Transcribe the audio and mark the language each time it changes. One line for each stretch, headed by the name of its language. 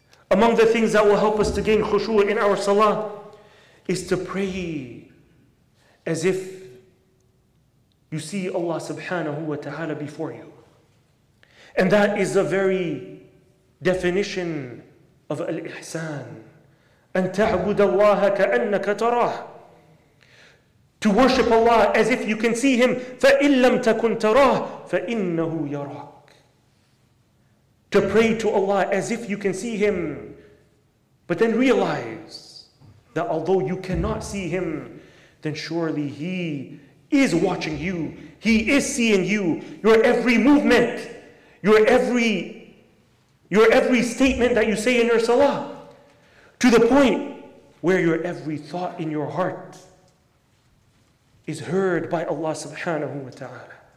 English: Among the things that will help us to gain khushu' in our salah is to pray as if you see Allah subhanahu wa ta'ala before you. And that is the very definition of al-ihsan.
Arabic: أن تعبد الله كأنك تراه.
English: To worship Allah as if you can see Him.
Arabic: فإن لم تكن تراه فإنه يراك.
English: To pray to Allah as if you can see Him. But then realize that although you cannot see Him, then surely He is watching you. He is seeing you. Your every movement, your every statement that you say in your salah, to the point where your every thought in your heart is heard by Allah subhanahu wa ta'ala.